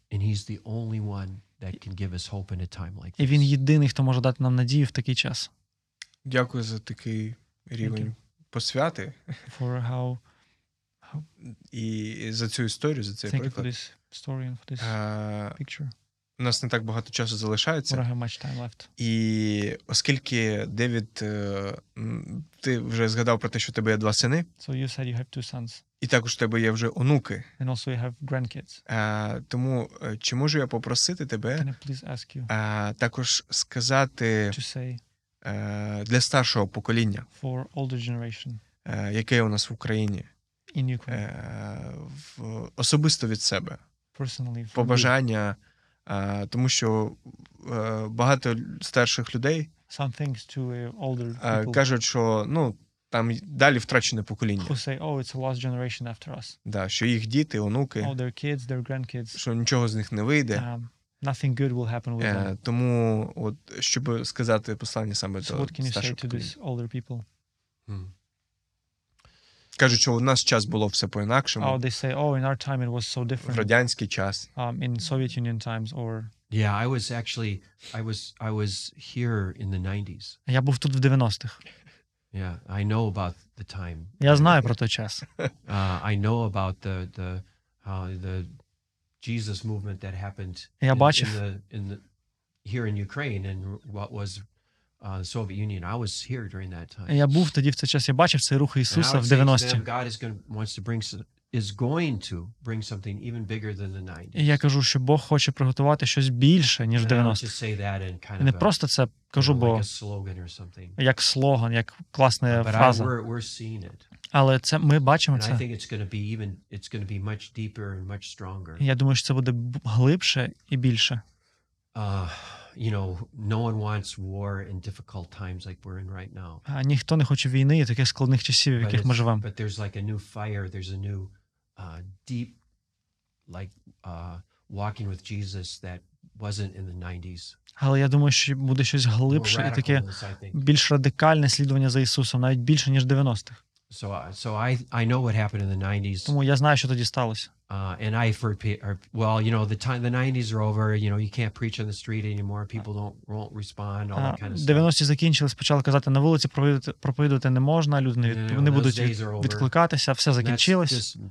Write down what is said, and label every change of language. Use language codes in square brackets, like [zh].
[en] And he's the only one that can give us hope in a time like this. [uk] І він єдиний, хто може дати нам надію в такий час. Дякую за такий рівень посвяти. [en] For how [uk] І за цю історію, за цей приклад. [en] Thank you for this story and for this picture. [uk] У нас не так багато часу залишається. [en] We don't have much time left. [uk] І оскільки, Девід, ти вже згадав про те, що у тебе є два сини. [en] So you said you have two sons. [uk] І також у тебе є вже онуки. [en] And also you have grandkids. [uk] Тому чи можу я попросити тебе [en] Can I please ask you? [uk] Також сказати [en] to say [uk] для старшого покоління, [en] for older generation. [uk] Яке у нас в Україні. [en] In Ukraine. [uk] Особисто від себе. [en] Personally, [uk] побажання. Тому що багато старших людей [en] Some things to older people, [uk] кажуть, що ну, там далі втрачене покоління. [en] Who say, oh, it's a lost generation after us. [uk] Да, що їх діти, онуки, [en] oh, their kids, their grandkids, [uk] що нічого з них не вийде. [en] Nothing good will happen with them. [uk] Тому, от, щоб сказати послання саме [en] so [uk] до старших [en] say [uk] поколінь. [en] To these older people? [uk] Кажуть, що у нас час було все по-інакшому. [en] Oh, they say, oh, in our time it was so different. [uk] В радянський час. [en] In Soviet Union times or Yeah, I was actually I was here in the 90s. [uk] Я був тут в 90-х. [en] Yeah, I know about the time. [uk] Я знаю про той час. [en] I know about the Jesus movement that happened in the here in Ukraine and what was Soviet Union. I was here during that time. [uk] Я був тоді в цей час, я бачив цей рух Ісуса в 90-ті. [en] God is going to bring something even bigger than the 90s. [uk] Я кажу, що Бог хоче приготувати щось більше, ніж 90-ті. Не просто це кажу, бо як слоган, як класна фраза. Але це ми бачимо це. [en] And I think it's going to be much deeper and much stronger. [uk] Я думаю, що це буде глибше і більше. [en] You know, no one wants war in difficult times like we're in right now. [uk] А ніхто не хоче війни і таких складних часів, в яких ми живемо. [en] But there's like a new fire, there's a new deep like walking with Jesus that wasn't in the 90s. [uk] Але я думаю, що буде щось глибше і таке більш радикальне слідування за Ісусом, навіть більше ніж 90-х. [en] So I know what happened in the 90s. [uk] Тому я знаю, що тоді сталося. [en] And I for well, you know, the 90s are over, you know, you can't preach on the street anymore, people won't respond, all that kind of stuff. [uk] 90-ті закінчились, почали казати на вулиці проповідувати не можна, люди не будуть відкликатися, все закінчилось.